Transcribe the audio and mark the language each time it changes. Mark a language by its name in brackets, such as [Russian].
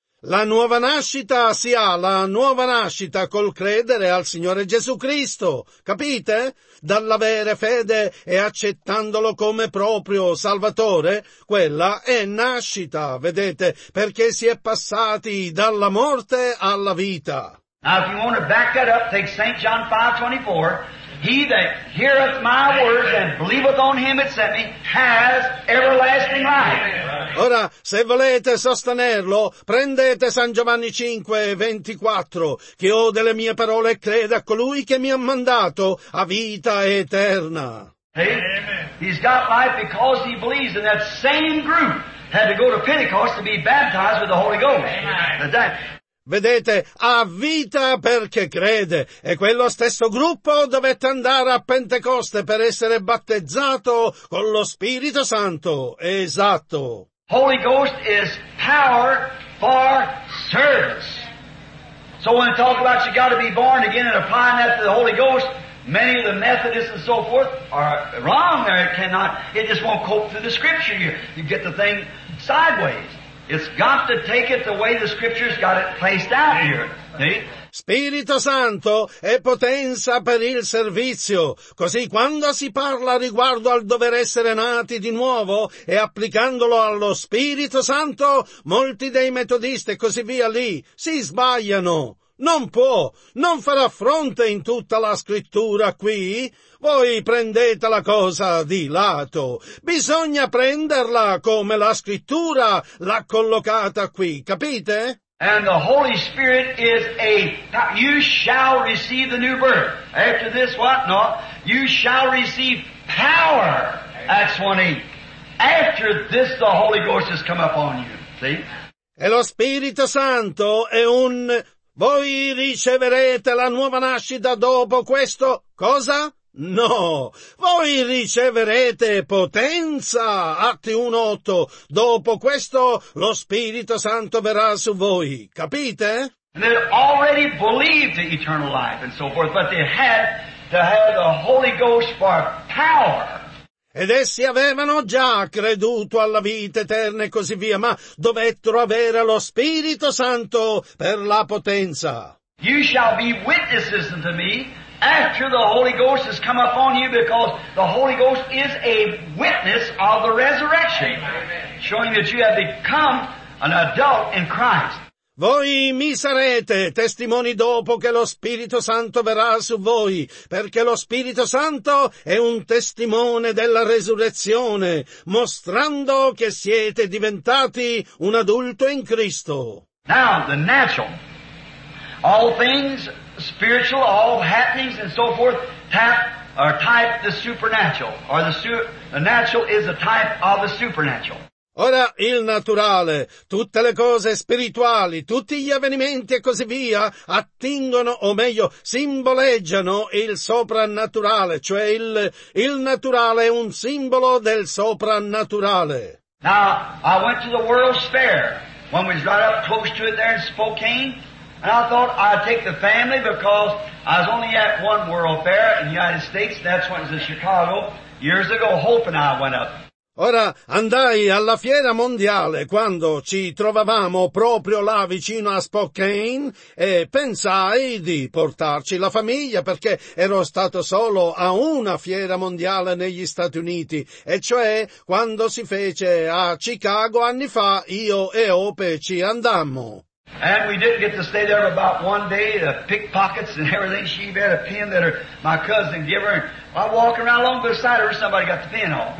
[Italian] La nuova nascita si ha la nuova nascita col credere al Signore Gesù Cristo, capite? Dall'avere fede e accettandolo come proprio Salvatore, quella è nascita, vedete, perché si è passati dalla morte alla vita. [English] Now if you want to back that up, take St. John 5:24, He that heareth my words and believeth on him that sent me has everlasting life. [Italian] Ora, se volete sostenerlo, prendete San Giovanni 5:24, chi ode le mie parole e crede a colui che mi ha mandato a vita eterna. [English] He's got life because he believes, and that same group had to go to Pentecost to be baptized with the Holy Ghost. [Italian] Vedete, ha vita perché crede, e quello stesso gruppo dovette andare a Pentecoste per essere battezzato con lo Spirito Santo. Esatto. [English] Holy Ghost is power for service. So when I talk about you got to be born again and applying that to the Holy Ghost, many of the Methodists and so forth are wrong there. It cannot, it just won't cope through the Scripture here. You get the thing sideways. It's got to take it the way the Scripture's got it placed out here. See? [Italian] Spirito Santo è potenza per il servizio, così quando si parla riguardo al dover essere nati di nuovo e applicandolo allo Spirito Santo, molti dei metodisti e così via lì si sbagliano. Non può, non farà fronte in tutta la Scrittura qui. Voi prendete la cosa di lato. Bisogna prenderla come la Scrittura l'ha collocata qui, capite? [English] And the Holy Spirit is a, you shall receive the new birth. After this, what? No. You shall receive power. Acts 1:8. After this, the Holy Ghost has come upon you. See? [Italian] E lo Spirito Santo è un, voi riceverete la nuova nascita dopo questo, cosa? No, voi riceverete potenza, Atti 1:8, dopo questo lo Spirito Santo verrà su voi, capite? [English] And they already believed the eternal life and so forth, but they had to have the Holy Ghost for power. [Italian] Ed essi avevano già creduto alla vita eterna e così via, ma dovettero avere lo Spirito Santo per la potenza. [English] You shall be witnesses unto me. After the Holy Ghost has come upon you, because the Holy Ghost is a witness of the resurrection, showing that you have become an adult in Christ. [Italian] Voi mi sarete testimoni dopo che lo Spirito Santo verrà su voi, perché lo Spirito Santo è un testimone della resurrezione, mostrando che siete diventati un adulto in Cristo. [English] Now, the natural, all things spiritual, all happenings and so forth, type the supernatural, or the natural is a type of the supernatural. [Italian] Ora, il naturale, tutte le cose spirituali, tutti gli avvenimenti e così via, attingono, o meglio, simboleggiano il soprannaturale, cioè il naturale è un simbolo del soprannaturale. [English] Now, I went to the World's Fair, when we was right up close to it there in Spokane, and I thought I'd take the family because I was only at one World Fair in the United States, that's when it was in Chicago, years ago, Hope and I went up. [Italian] Ora, andai alla fiera mondiale quando ci trovavamo proprio là vicino a Spokane e pensai di portarci la famiglia perché ero stato solo a una fiera mondiale negli Stati Uniti, e cioè quando si fece a Chicago anni fa, io e Ope ci andammo. [English] And we didn't get to stay there for about one day, the pickpockets and everything, she had a pin that her, my cousin gave her, and I'm walking around along beside her, somebody got the pin off.